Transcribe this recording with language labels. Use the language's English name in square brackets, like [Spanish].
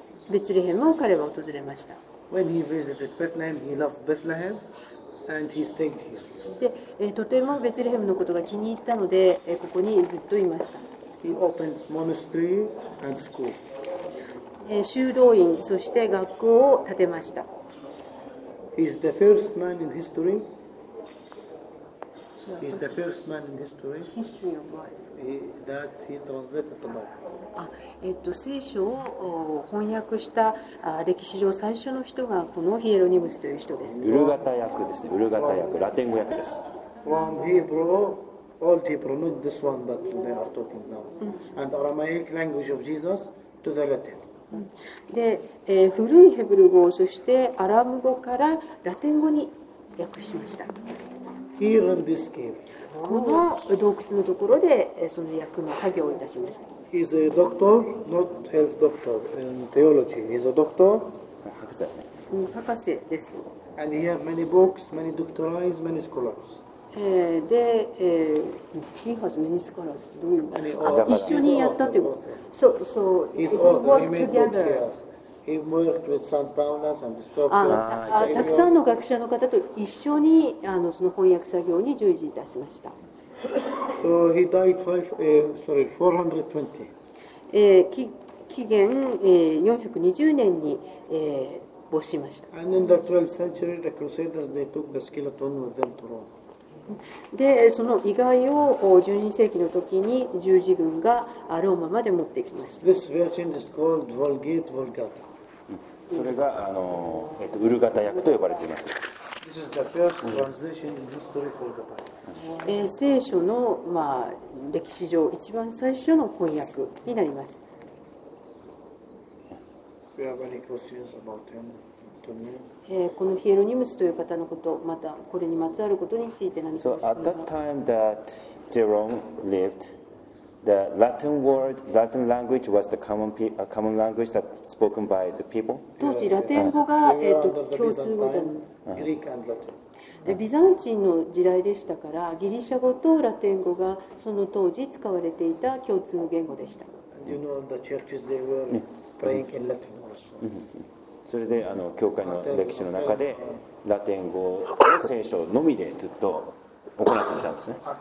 [Japanese] ベツレヘムを彼は訪れました。 [English] When he visited Bethlehem, he loved Bethlehem and he stayed here. [Japanese] で、とてもベツレヘムのことが気に入ったので、ここにずっといました。 [English] He opened monastery and school. [Japanese] 修道院そして学校を建てました。 [English] He's the first man in history. He's the first man in history. History of what? That he translated the Bible. [Japanese] 聖書を翻訳した歴史上最初の人がこのヒエロニムスという人です。ウルガタ訳ですね。ウルガタ訳、ラテン語訳です。 [English] From Hebrew, old Hebrew, not this one but they are talking now. And Aramaic language of Jesus to the Latin. [Japanese] で、古いヘブル語そしてアラム語からラテン語に訳しました。 [English] Here in this cave. [Japanese] この洞窟のところでその訳の作業をいたしました。 [English] He is a doctor, not health doctor in theology. He is a doctor. [Japanese] 博士です。 [English] And he has many books, many doctorates, many scholars. [Japanese] で、 [English] He has many scholars [Japanese] ってどういう意味？一緒にやったってこと。 [English] So he's author. He made books. Yes. He worked with Saint Paulus and the Stoics. [Japanese] たくさんの学者の方と一緒にその翻訳作業に従事いたしました。 [English] So he died 420. [Japanese] 紀元420年に没しました。 [English] And in the 12th century, the Crusaders they took the skeleton with them to Rome. [Japanese] でその遺骸を12世紀の時に十字軍がローマまで持ってきました。 [English] This version is called Vulgate Vulgata. [Japanese] それがウルガタ訳と呼ばれています。 [English] This is the first translation in history for the Bible. [Japanese] 聖書の、まあ、歴史上一番最初の翻訳になります。 [English] Do you have any questions about him? [Japanese] このヒエロニムスという方のこと、またこれにまつわることについて何か。 [English] So at that time that Jerome lived, the Latin word, Latin language was the common language that spoken by the people. [Japanese] 当時ラテン語が共通語だった。 [English] Greek and Latin. [Japanese] ビザンチンの時代でしたから、ギリシャ語とラテン語がその当時使われていた共通の言語でした。 [English] And you know the churches they were praying in Latin also. [Japanese] それで教会の歴史の中でラテン語を聖書のみでずっと行ってきたんですね。